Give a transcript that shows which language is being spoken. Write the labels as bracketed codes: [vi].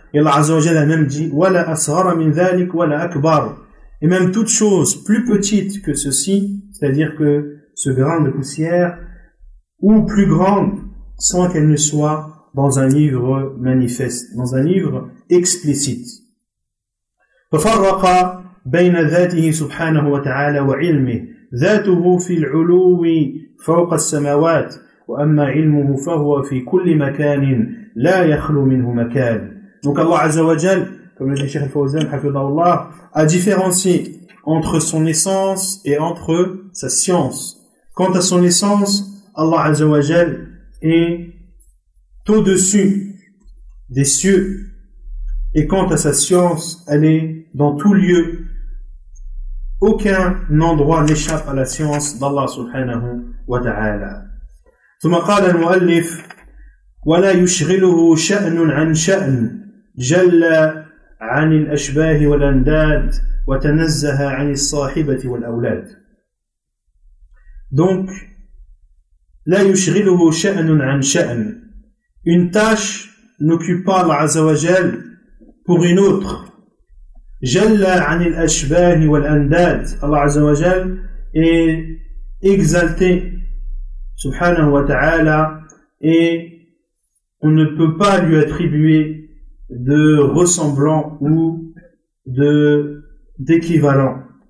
[fr] Et Allah Azza wa Jalla a même dit « [ar] Wala asghara min dhalik wala akbar [fr] » Et même toute chose plus petite que ceci, c'est-à-dire que ce grain de poussière, ou plus grande, sans qu'elle ne soit dans un livre manifeste, dans un livre explicite. [ar] ففرق بين ذاته سبحانه وتعالى وعلمه ذاته في العلو فوق السماوات وأما علمه فهو في كل مكان لا يخلو منه مكان. [fr] Donc Allah Azza wa Jal, comme le dit Cheikh Al-Fawzan, hafidhahullah, a différencié entre son essence et entre sa science. Quant à son essence, Allah Azza wa Jal est au-dessus des cieux Et quant à sa science, elle est dans tout lieu. Aucun endroit n'échappe à la science d'Allah subhanahu wa ta'ala. [ar] ثم قال المؤلف ولا يشغله شأن عن شأن جل عن الأشباه والأنداد وتنزه عن الصاحبة والأولاد. [fr] Donc [ar] لا يشغله شأن عن شأن. [fr] Une tâche n'occupe pas Allah عز وجل pour une autre. [ar] جل عن الأشباه والأنداد. [fr] Allah عز وجل est exalté subhanahu wa ta'ala, et on ne peut pas lui attribuer de ressemblant ou de d'équivalent.